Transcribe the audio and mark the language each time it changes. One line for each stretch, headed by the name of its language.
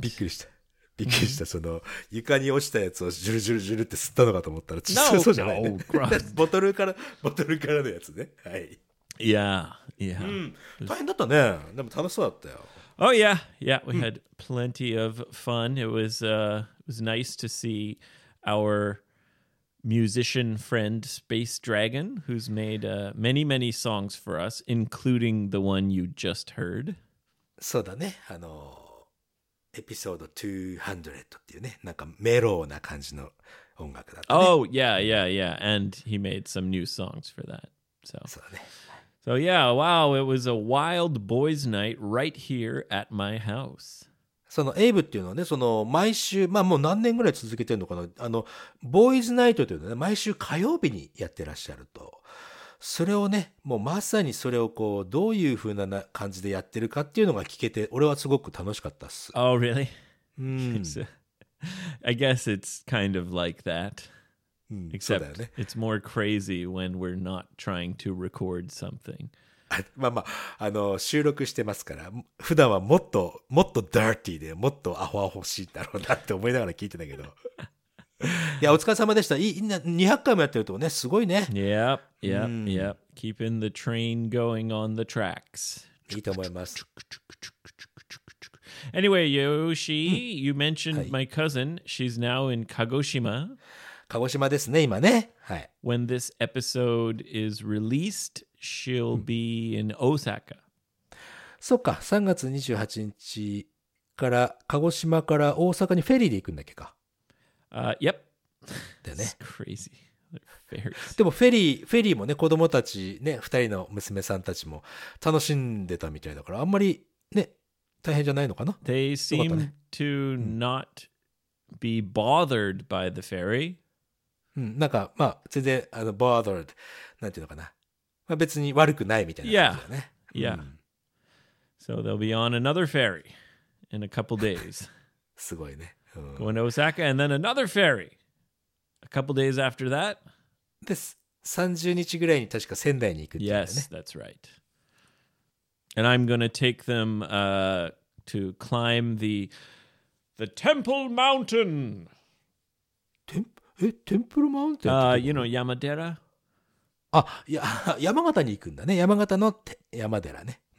Japanese: びっくりした。びっくりした。その床に落ちたやつをジュルジュルジュルって吸ったのかと思ったら、ちっそうじゃない。ボトルからのやつね。はい。
English: Yeah, yeah. Oh yeah, yeah. We had plenty of fun. It was It was nice to see our musician friend Space Dragon, who's made many, many songs for us, including the one you just heard.
Japanese: そうだね。あの、エピソード200っていうね、なんかメローな感じの音楽だったね。
English: Oh, yeah, yeah, yeah. And he made some new songs for that. So.
Japanese: そうだね。
English: So yeah, wow, it was a wild boys' night right here at my house.
Japanese: そのエイブっていうのはね、その毎週、まあもう何年ぐらい続けてるのかな、あの、ボーイズナイトというのはね、毎週火曜日にやってらっしゃると。それをね、もうまさにそれをこう、どういう風な感じでやってるかっていうのが聞けて、俺はすごく楽しかったっす。
English: Oh, really?
Japanese: うん。
English: I guess it's kind of like that. Except it's more crazy when we're not trying to record something.
Japanese: まあまああの収録してますから普段はもっともっとダーティーでもっとアホアホしいだろうなって思いながら聞いてたけど。いやお疲れ様でした。いい200回もやってるとねすごいね。
English: Yep, yep, yep. Keeping the train going on the tracks.
Japanese: いいと思います。
English: Anyway, Yoshi, you mentioned my cousin. She's now in Kagoshima.
Japanese: 鹿児島ですね、今ね。はい。
English: When this episode is released, she'll be in Osaka.
Japanese: そうか、3月28日から鹿児島から大阪にフェリーで行くんだっけか。
English: Yep.
Japanese: だよね。
English: It's crazy. Very.
Japanese: でもフェリーもね、子供たちね、2人の娘さんたちも楽しんでたみたいだから、あんまりね、大変じゃないのかな。
English: They seem to not be bothered by the ferry.
Japanese: うん、なんか、まあ、全然、あの、bothered、なんていうのかな。まあ、別に悪くないみたいな感じだよね。
English: Yeah. Yeah. So they'll be on another ferry in a couple days.
Japanese: すごいね。
English: Going to Osaka and then another ferry. A couple days after that.
Japanese: で、30日ぐらいに確か仙台に行くっていうのね。
English: Yes, that's right. And I'm gonna take them, to climb the Temple Mountain. Temple Mountain? You know, Yamadera?
Japanese: Yamagata ni iku nda ne. Yamagata no Yamadera ne.